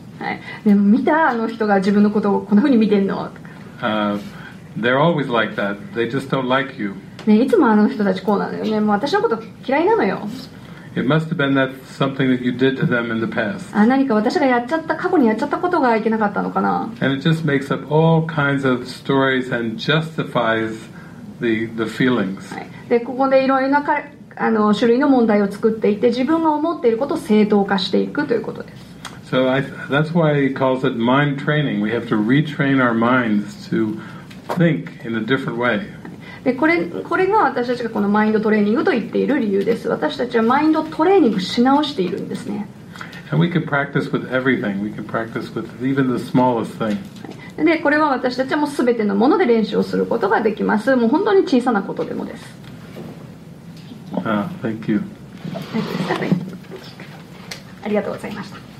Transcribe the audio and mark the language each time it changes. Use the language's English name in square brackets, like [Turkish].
[Japanese] はい、でも見た人が自分のことをこんな風に見てるの。 [English] They're always like that. They just don't like you. [Japanese] ね、いつも人たちこうなのよね。もう私のこと嫌いなのよ。 [English] It must have been that something that you did to them in the past. [Japanese] 何か私がやっちゃった、過去にやっちゃったことがいけなかったのかな。 [English] And it just makes up all kinds of stories and justifies the feelings.、 [Japanese] はい、でここでいろいろな種類の問題を作っていて、自分が思っていることを正当化していくということです。 [English] So that's why he calls it mind training. We have to retrain our minds to think in a different way. [Japanese] でこれが私たちがこのマインドトレーニングと言っている理由です。私たちはマインドトレーニングし直しているんですね。 [English] And we can practice with everything. We can practice with even the smallest thing. [Japanese] でこれは私たちはもう全てのもので練習をすることができます。もう本当に小さなことでもです。 [English] Thank you. [Japanese] ありがとうございました。